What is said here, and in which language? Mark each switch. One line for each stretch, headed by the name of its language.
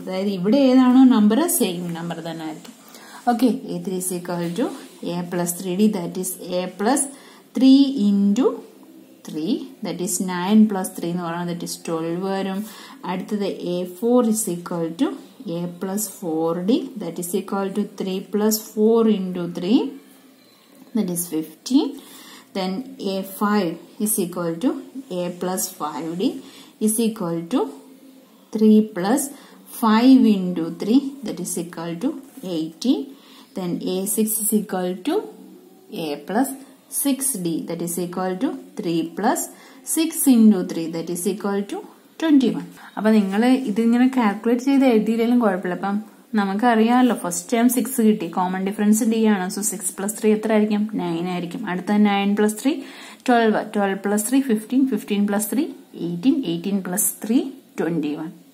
Malayalam: അതായത് ഇവിടെ ഏതാണോ നമ്പർ സെയിം നമ്പർ തന്നെ ആയിരിക്കും.
English: okay, a 3 is equal to a plus 3 d, that is a plus 3 into 3, that is 9 plus 3
Malayalam: എന്ന് പറഞ്ഞാൽ
English: That is 12 വരും. അടുത്തത് a 4 is equal to a plus 4 d, that is equal to 3 plus 4 into 3, that is 15. Then a 5 is equal to a plus 5d is equal to 3 plus 5 into 3, that is equal to 18. Then a 6 is equal to a plus 6d, that is equal to 3 plus 6 into 3, that is equal to 21.
Malayalam: അപ്പോൾ നിങ്ങൾ ഇതിങ്ങനെ calculate ചെയ്ത് എഴുതിയില്ലെങ്കിലും കുഴപ്പമില്ല. അപ്പം നമുക്കറിയാമല്ലോ first term 6 കിട്ടി, common difference D ആണ്. So 6 plus 3 എത്ര ആയിരിക്കും? 9 ആയിരിക്കും. അടുത്ത 9 പ്ലസ് 3 12, 12 പ്ലസ് 3 15, 15 പ്ലസ് 3 18, 18 പ്ലസ് 3 21.